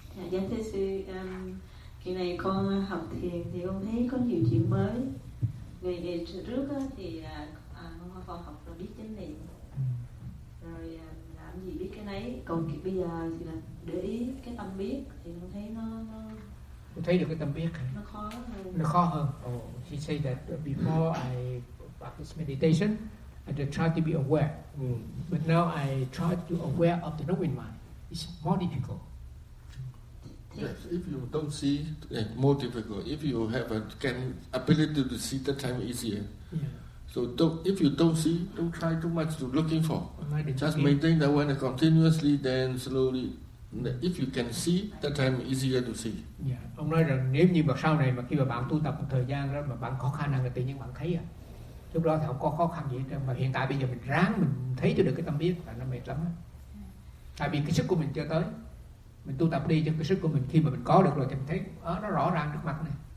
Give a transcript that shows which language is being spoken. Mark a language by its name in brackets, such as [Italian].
[Vietnamese] Dạ thưa sư, kỳ này con học thiền thì con thấy có nhiều chuyện mới, ngày trước thì con học rồi biết chánh niệm, rồi làm gì biết cái nấy, còn bây giờ thì là để ý cái tâm biết thì con thấy nó thấy được cái tâm biết nó khó hơn. [English] Oh, he said that before I practice meditation, I just try to be aware. Mm. But now I try to be aware of the knowing mind. It's more difficult. Yes, if you don't see, it's more difficult. If you have a can ability to see, that time easier. Yeah. So don't, if you don't see, don't try too much to looking for. Just maintain that one continuously, then slowly. If you can see, that time easier to see. Yeah. [Vietnamese] Ông nói rằng nếu như mà sau này mà khi mà bạn tu tập một thời gian đó mà bạn khó khăn nào thì tự nhiên bạn thấy à. Lúc đó thì không có khó khăn gì hết, mà hiện tại bây giờ mình ráng mình thấy cho được cái tâm biết là nó mệt lắm á. Tại vì cái sức của mình chưa tới. Mình tu tập đi cho cái sức của mình khi mà mình có được rồi thì mình thấy nó rõ ràng trước mặt này.